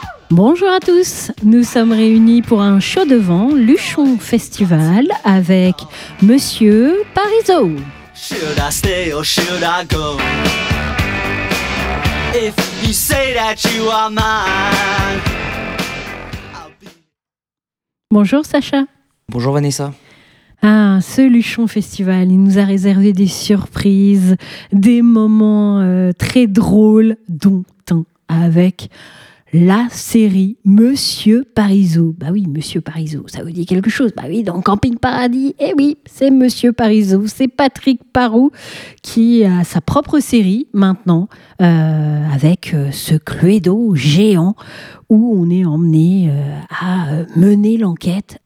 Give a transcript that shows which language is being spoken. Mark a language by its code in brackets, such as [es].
[fr] Bonjour à tous, nous sommes réunis pour un show devant Luchon Festival avec Monsieur Parizeau. [en] Should I stay or should I go? If you say that you are mine. [fr] Bonjour Sacha. Bonjour Vanessa. Ah, ce Luchon Festival, il nous a réservé des surprises, des moments très drôles, dont un avec la série Monsieur Parizeau. Bah oui, Monsieur Parizeau, ça vous dit quelque chose? Bah oui, dans Camping Paradis, eh oui, c'est Monsieur Parizeau, c'est Patrick Parrou qui a sa propre série maintenant, avec ce Cluedo géant où on est emmené à mener l'enquête.